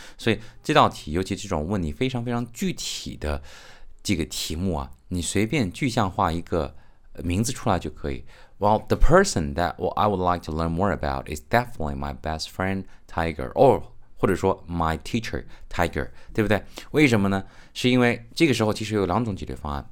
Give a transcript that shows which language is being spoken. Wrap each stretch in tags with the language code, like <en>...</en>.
<zh>所以这道题，尤其这种问你非常非常具体的这个题目啊，你随便具象化一个名字出来就可以。</zh> <en>Well, the person that I would like to learn more about is definitely my best friend, Tiger, or 或者说 my teacher, Tiger,</en> <zh>对不对？为什么呢？是因为这个时候其实有两种解决方案。</zh>